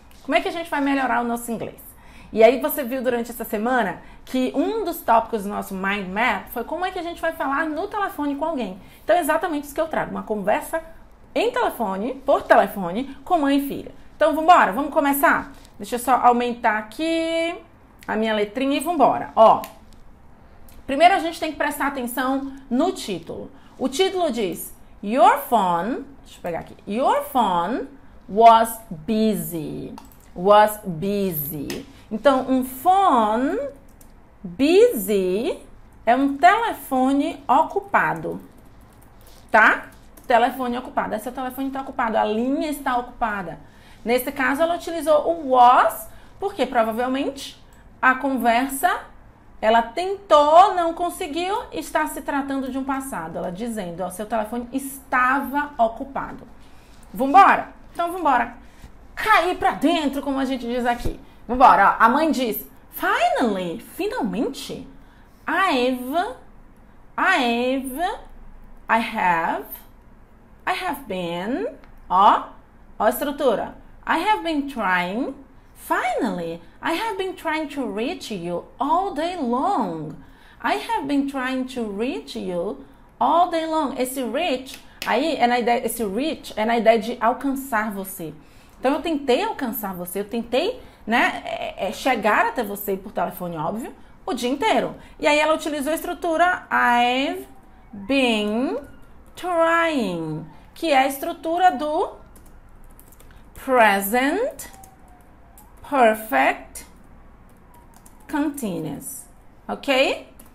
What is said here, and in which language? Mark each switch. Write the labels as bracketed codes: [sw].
[pt] Como é que a gente vai melhorar o nosso inglês? E aí você viu durante essa semana que um dos tópicos do nosso Mind Map foi como é que a gente vai falar no telefone com alguém. Então é exatamente isso que eu trago, uma conversa em telefone, por telefone, com mãe e filha. Então vambora, vamos começar? Deixa eu só aumentar aqui a minha letrinha e vambora, ó. Primeiro, a gente tem que prestar atenção no título. O título diz, [en] your phone, [pt] deixa eu pegar aqui, [en] your phone was busy, was busy. [pt] Então, um phone busy é um telefone ocupado, tá? Telefone ocupado. Esse telefone está ocupado, a linha está ocupada. Nesse caso, ela utilizou o was, porque provavelmente a conversa, ela tentou, não conseguiu, está se tratando de um passado. Ela dizendo, ó, seu telefone estava ocupado. Vambora? Então vambora. Cair pra dentro, como a gente diz aqui. Vambora, ó. A mãe diz, [en] finally, [pt] finalmente, [en] I have been, [pt] ó, ó a estrutura. [en] I have been trying. Finally, I have been trying to reach you all day long. I have been trying to reach you all day long. [pt] Esse reach, aí é na ideia, esse reach é na ideia de alcançar você. Então eu tentei alcançar você, eu tentei, né, chegar até você por telefone, óbvio, o dia inteiro. E aí ela utilizou a estrutura [en] I've been trying, [pt] que é a estrutura do present perfect continuous, ok?